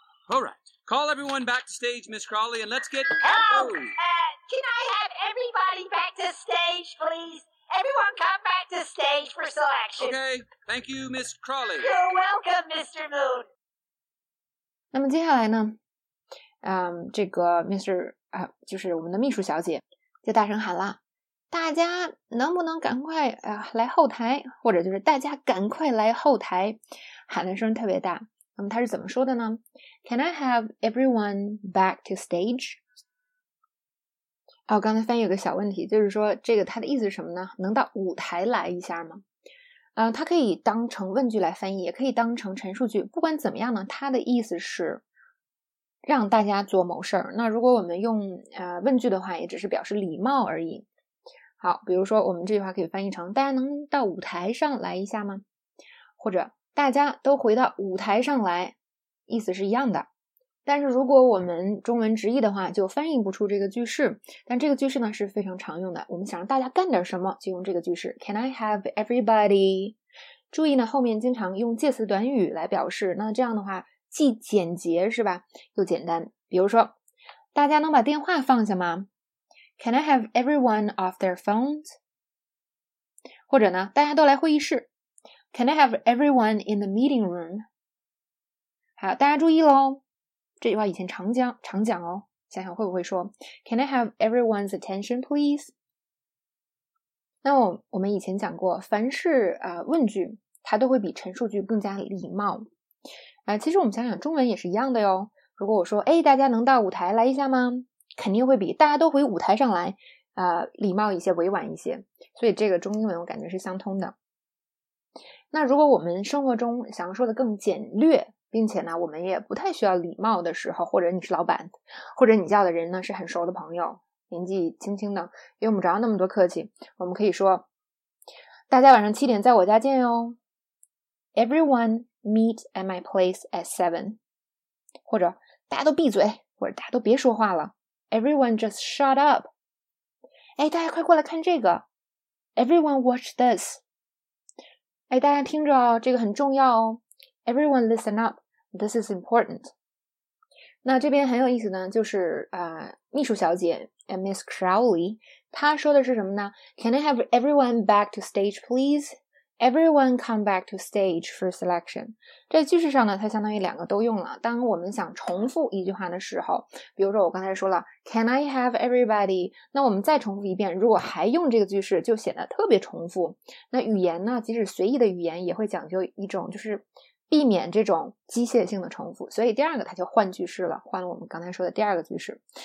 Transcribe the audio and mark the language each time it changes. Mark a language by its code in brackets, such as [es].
[en] Alright, call everyone back to stage, Miss Crawley, and let's get... Can I have everybody back to stage, please? Everyone come back to stage for selection. Okay, thank you, Miss Crawley. You're welcome, Mr. Moon. [zh] 那么接下来呢，这个 Mr.、就是我们的秘书小姐就大声喊了，大家能不能赶快、来后台，或者就是大家赶快来后台，喊的声特别大。那么她是怎么说的呢？ [en] Can I have everyone back to stage? [zh] 哦，刚才翻译有个小问题，就是说这个它的意思是什么呢？能到舞台来一下吗？它可以当成问句来翻译，也可以当成陈述句。不管怎么样呢，它的意思是让大家做某事儿。那如果我们用问句的话，也只是表示礼貌而已。好，比如说我们这句话可以翻译成：大家能到舞台上来一下吗？或者大家都回到舞台上来，意思是一样的。但是如果我们中文直译的话，就翻译不出这个句式。但这个句式呢是非常常用的，我们想让大家干点什么，就用这个句式 [en] Can I have everybody? [zh] 注意呢，后面经常用介词短语来表示，那这样的话既简洁是吧，又简单。比如说，大家能把电话放下吗？ [en] Can I have everyone off their phones? [zh] 或者呢，大家都来会议室。 [en] Can I have everyone in the meeting room? [zh] 好，大家注意咯，这句话以前常讲哦，想想会不会说 [en] Can I have everyone's attention please? [zh] 那我们以前讲过，凡是问句它都会比陈述句更加礼貌。其实我们想想中文也是一样的哟，如果我说诶，大家能到舞台来一下吗，肯定会比大家都回舞台上来礼貌一些，委婉一些。所以这个中英文我感觉是相通的。那如果我们生活中想说的更简略，并且呢我们也不太需要礼貌的时候，或者你是老板，或者你叫的人呢是很熟的朋友，年纪轻轻的，用不着那么多客气，我们可以说大家晚上七点在我家见哟。 [en] Everyone meet at my place at 7, [zh] 或者大家都闭嘴，或者大家都别说话了。 [en] Everyone just shut up. [zh] 哎，大家快过来看这个。 [en] Everyone watch this. [zh] 哎，大家听着哦，这个很重要哦。 [en] Everyone listen up, this is important. [zh] 那这边很有意思呢，就是秘书小姐 Miss Crowley, 她说的是什么呢？ [en] Can I have everyone back to stage, please? Everyone come back to stage for selection. [zh] 这句式上呢，它相当于两个都用了。当我们想重复一句话的时候，比如说我刚才说了 [en] Can I have everybody? [zh] 那我们再重复一遍，如果还用这个句式，就显得特别重复。那语言呢，即使随意的语言也会讲究一种，就是避免这种机械性的重复，所以第二个它就换句式了，换了我们刚才说的第二个句式。